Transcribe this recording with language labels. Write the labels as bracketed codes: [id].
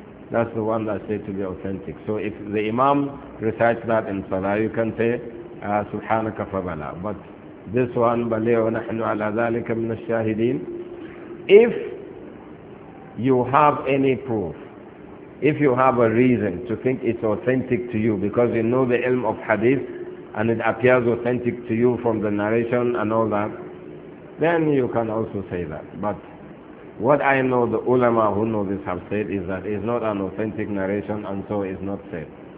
[en] That's the one that's said to be authentic. So if the Imam recites that in Salah, you can say, [ar] سُبْحَانَكَ فَبَلَىٰ. [en] But this one, [ar] بَلِيَ وَنَحْنُ عَلَىٰ ذَلِكَ مِنَ الشَّاهِدِينَ. [en] If you have any proof, if you have a reason to think it's authentic to you because you know the ilm of hadith and it appears authentic to you from the narration and all that, then you can also say that. But what I know, the ulama who know this have said, is that it's not an authentic narration and so it's not said.